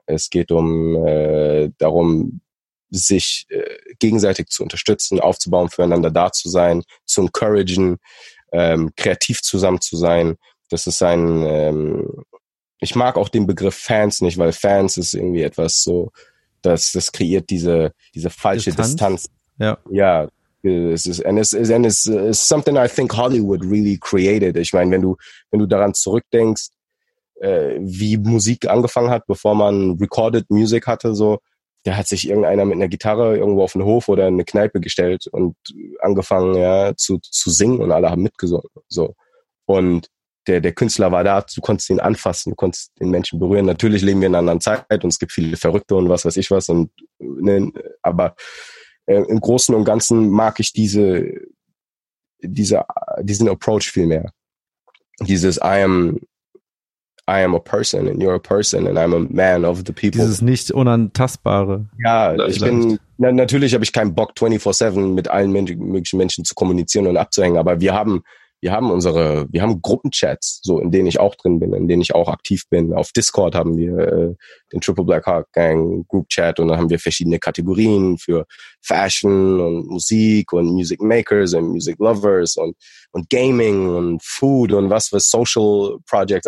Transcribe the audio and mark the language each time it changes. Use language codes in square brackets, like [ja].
[de] Es geht um darum, sich gegenseitig zu unterstützen, aufzubauen, füreinander da zu sein, zu encouragen, kreativ zusammen zu sein. Das ist ein, ich mag auch den Begriff Fans nicht, weil Fans ist irgendwie etwas so, dass das kreiert diese falsche Distanz. Ja. Ja, [en] And it's something I think Hollywood really created. [de] Ich meine, wenn du daran zurückdenkst, wie Musik angefangen hat, bevor man recorded music hatte, so, da hat sich irgendeiner mit einer Gitarre irgendwo auf den Hof oder in eine Kneipe gestellt und angefangen, ja, zu singen, und alle haben mitgesungen, so. Und der Künstler war da, du konntest ihn anfassen, du konntest den Menschen berühren. Natürlich leben wir in einer anderen Zeit und es gibt viele Verrückte und was weiß ich was, und, ne, aber im Großen und Ganzen mag ich diesen Approach viel mehr. Dieses [en] I am a person and you're a person and I'm a man of the people. [de] Dieses nicht unantastbare. Ja, natürlich habe ich keinen Bock 24/7 mit allen möglichen Menschen zu kommunizieren und abzuhängen, aber wir haben Gruppenchats, so, in denen ich auch drin bin, in denen ich auch aktiv bin. Auf Discord haben wir den Triple Black Heart Gang Group Chat, und dann haben wir verschiedene Kategorien für Fashion und Musik und Music Makers und Music Lovers und Gaming und Food und was für Social Projects.